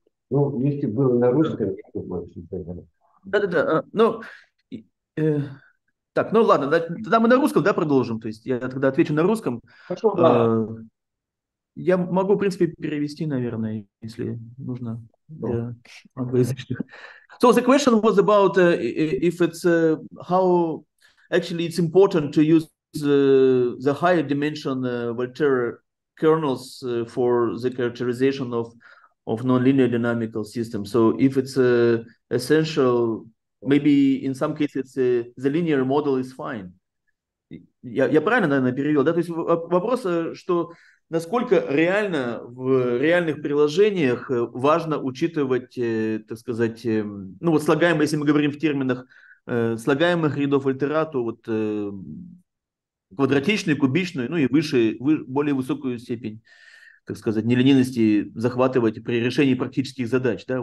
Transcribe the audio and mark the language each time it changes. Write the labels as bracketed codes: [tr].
[ru] Ну, если было на русском, то больше. Да-да-да. Ну, так, ну ладно, тогда мы на русском, да, продолжим? То есть я тогда отвечу на русском. Я могу, в принципе, перевести, наверное, если нужно. [en] So the question was about if it's how actually it's important to use the higher dimension Volterra kernels for the characterization of nonlinear dynamical systems. So if it's essential, maybe in some cases the linear model is fine. [ru] Я правильно, наверное, перевел? Да? То есть вопрос, что насколько реально в реальных приложениях важно учитывать, так сказать, ну вот слагаемые, если мы говорим в терминах слагаемых рядов Вольтера, то вот квадратичную, кубичную, ну и выше, более высокую степень, так сказать, нелинейности захватывать при решении практических задач. Да?